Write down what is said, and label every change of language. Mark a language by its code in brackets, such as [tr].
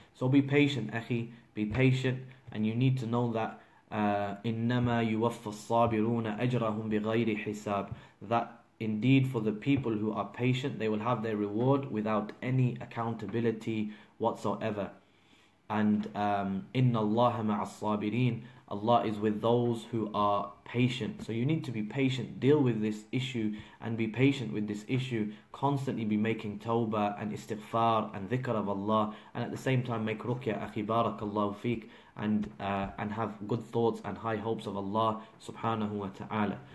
[en] So be patient, akhi. Be patient. And you need to know that [ar] إِنَّمَا يُوَفَّ الصَّابِرُونَ أَجْرَهُمْ بِغَيْرِ حِسَابٍ. [en] That indeed for the people who are patient, they will have their reward without any accountability whatsoever. And [ar] إِنَّ اللَّهَ مَعَ الصَّابِرِينَ. [en] Allah is with those who are patient. So you need to be patient, deal with this issue, and be patient with this issue. Constantly be making tawbah and istighfar and dhikr of Allah, and at the same time make ruqya, akhi, barakallahu feek, and have good thoughts and high hopes of Allah subhanahu wa ta'ala.